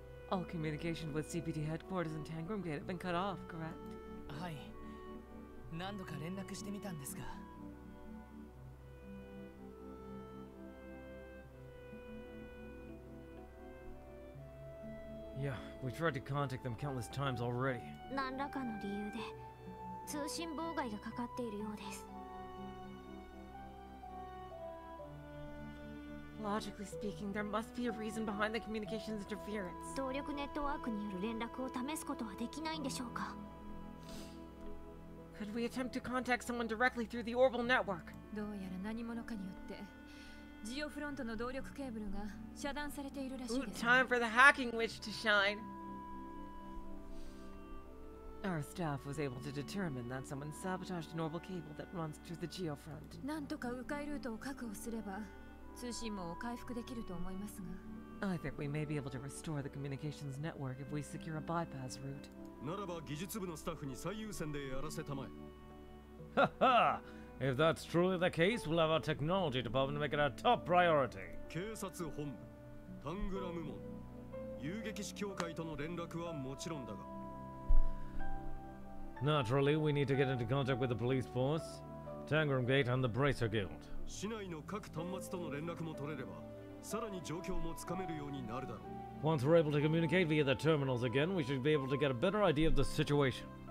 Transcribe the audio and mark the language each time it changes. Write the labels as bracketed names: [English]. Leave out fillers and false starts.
[English] All communication with CPD headquarters and Tangramgate have been cut off, correct? Aye. [Japanese] 何度か連絡してみたんですが。 [English] Yeah, we tried to contact them countless times already. [Japanese] 何らかの理由で通信妨害がかかっているようです。 [English] Logically speaking, there must be a reason behind the communications interference. [Japanese] 動力ネットワークによる連絡を試すことはできないんでしょうか? [English] Could we attempt to contact someone directly through the Orbital network? [Japanese] どうやら何者かによって。ジオフロントの動力ケーブルが遮断されているらしいです。 [English] Time for the hacking witch to shine. Our staff was able to determine that someone sabotaged an orbital cable that runs through the geofront. [Japanese] なんとか迂回ルートを確保すれば通信網を回復できると思いますが。 [English] I think we may be able to restore the communications network if we secure a bypass route. [Japanese] ならば技術部のスタッフに最優先でやらせたまえ。 [English] ははIf that's truly the case, we'll have our technology department make it our top priority. [Japanese] 警察本部、タングラム門、遊撃士協会との連絡はもちろんだが。 [English] Naturally, we need to get into contact with the police force, Tangramgate and the Bracer Guild. [Japanese] 市内の各端末との連絡も取れれば、さらに状況もつかめるようになるだろう。 [English] Once we're able to communicate via the terminals again, we should be able to get a better idea of the situation.